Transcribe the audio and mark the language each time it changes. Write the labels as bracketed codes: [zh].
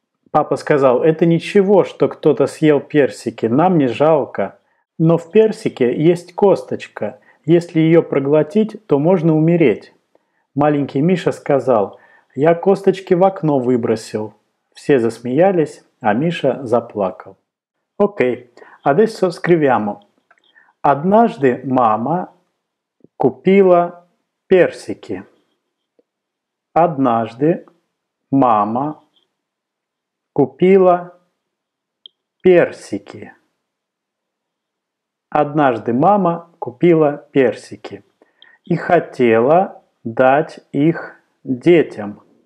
[ru] Папа сказал: «Это ничего, что кто-то съел персики, нам не жалко. Но в персике есть косточка. Если ее проглотить, то можно умереть». Маленький Миша сказал: «Я косточки в окно выбросил». Все засмеялись, а Миша заплакал. [it] Окей, adesso scriviamo. [ru] Однажды мама купила персики. Однажды мама купила персики. Однажды мама купила персики и хотела дать их детям.